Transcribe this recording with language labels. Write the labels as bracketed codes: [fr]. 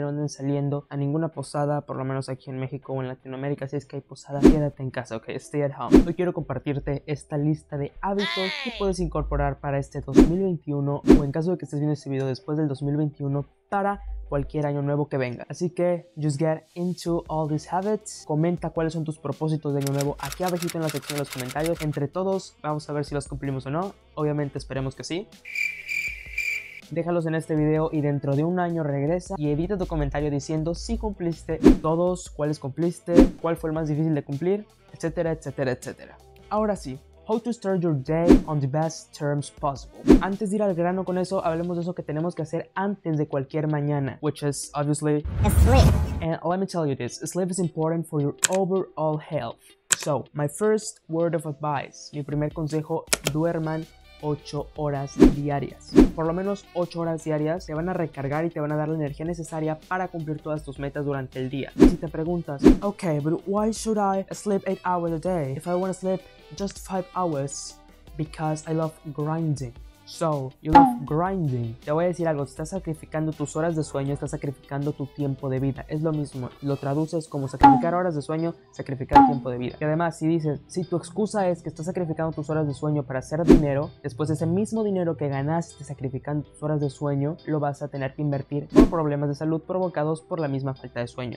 [es] No anden saliendo a ninguna posada, por lo menos aquí en México o en Latinoamérica. Si es que hay posada, quédate en casa, ok? [en] Stay at home. [es] Hoy quiero compartirte esta lista de hábitos que puedes incorporar para este 2021 o en caso de que estés viendo este video después del 2021 para cualquier año nuevo que venga. Así que, [en] just get into all these habits. [es] Comenta cuáles son tus propósitos de año nuevo aquí abajito en la sección de los comentarios. Entre todos, vamos a ver si los cumplimos o no. Obviamente, esperemos que sí. Déjalos en este video y dentro de un año regresa y edita tu comentario diciendo si cumpliste todos, cuáles cumpliste, cuál fue el más difícil de cumplir, etcétera, etcétera, etcétera. Ahora sí. [en] How to start your day on the best terms possible. [es] Antes de ir al grano con eso, hablemos de eso que tenemos que hacer antes de cualquier mañana, [en] which is obviously sleep. And let me tell you this, sleep is important for your overall health. So, my first word of advice, [es] mi primer consejo, duerman 8 horas diarias. Por lo menos 8 horas diarias te van a recargar y te van a dar la energía necesaria para cumplir todas tus metas durante el día. Y si te preguntas, [en] okay, but why should I sleep 8 hours a day if I want to sleep just 5 hours because I love grinding? So, you love grinding. [es] Te voy a decir algo, estás sacrificando tus horas de sueño, estás sacrificando tu tiempo de vida. Es lo mismo, lo traduces como sacrificar horas de sueño, sacrificar tiempo de vida. Y además, si dices, si tu excusa es que estás sacrificando tus horas de sueño para hacer dinero, después ese mismo dinero que ganaste sacrificando tus horas de sueño, lo vas a tener que invertir por problemas de salud provocados por la misma falta de sueño.